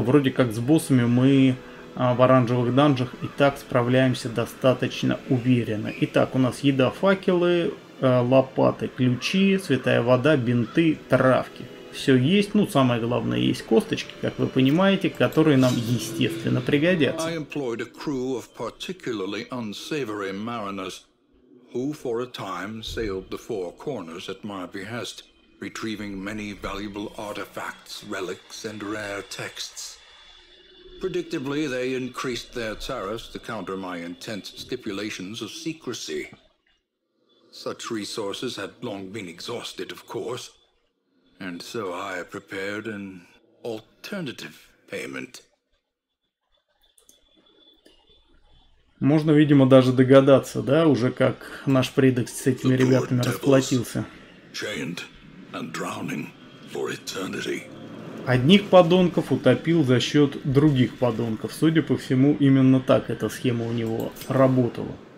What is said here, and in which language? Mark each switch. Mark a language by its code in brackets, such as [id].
[ru] Вроде как с боссами мы в оранжевых данжах и так справляемся достаточно уверенно. Итак, у нас еда, факелы, лопаты, ключи, святая вода, бинты, травки. Все есть, ну самое главное, есть косточки, как вы понимаете, которые нам естественно пригодятся. [en] Я employed a crew of particularly unsavory mariners who for a time sailed the four corners at my behest, retrieving many valuable artifacts, relics and rare texts. Predictably they increased their tariffs to counter my intense stipulations of secrecy. Such resources had long been exhausted, of course, and so I prepared an alternative payment. [ru] Можно, видимо, даже догадаться, да, уже как наш предок с этими ребятами расплатился. [en] Chained and drowning for eternity. [ru] Одних подонков утопил за счет других подонков. Судя по всему, именно так эта схема у него работала.